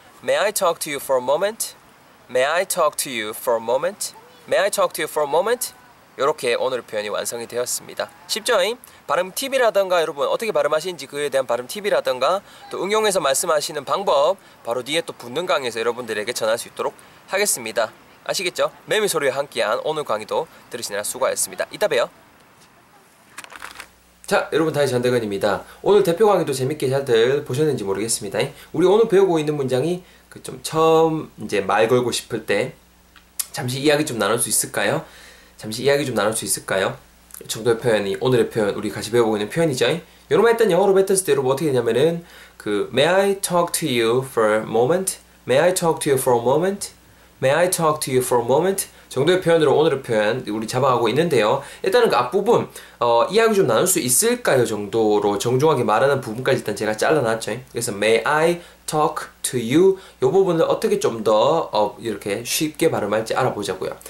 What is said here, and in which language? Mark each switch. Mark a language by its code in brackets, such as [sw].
[en] May I talk to you for a moment? May I talk to you for a moment? May I talk to you for a moment? [ko] 이렇게 오늘의 표현이 완성이 되었습니다. 쉽죠잉? 발음 팁이라던가 여러분 어떻게 발음하시는지 그에 대한 발음 팁이라던가 또 응용해서 말씀하시는 방법 바로 뒤에 또 붙는 강의에서 여러분들에게 전할 수 있도록 하겠습니다. 아시겠죠? 매미 소리와 함께한 오늘 강의도 들으시느라 수고하셨습니다. 이따 봬요. 자, 여러분 다시 전대건입니다. 오늘 대표 강의도 재밌게 잘들 보셨는지 모르겠습니다. 우리 오늘 배우고 있는 문장이 그 좀 처음 이제 말 걸고 싶을 때 잠시 이야기 좀 나눌 수 있을까요? 정도의 표현이 오늘의 표현, 우리 같이 배우고 있는 표현이죠. 여러분 일단 영어로 뱉었을 때 여러분 어떻게 되냐면은 그 [en] May I talk to you for a moment? May I talk to you for a moment? May I talk to you for a moment? [ko] 정도의 표현으로 오늘의 표현 우리 잡아가고 있는데요. 일단은 그 앞부분 이야기 좀 나눌 수 있을까요? 정도로 정중하게 말하는 부분까지 일단 제가 잘라놨죠. 그래서 [en] May I talk to you? [ko] 이 부분을 어떻게 좀 더 이렇게 쉽게 발음할지 알아보자고요.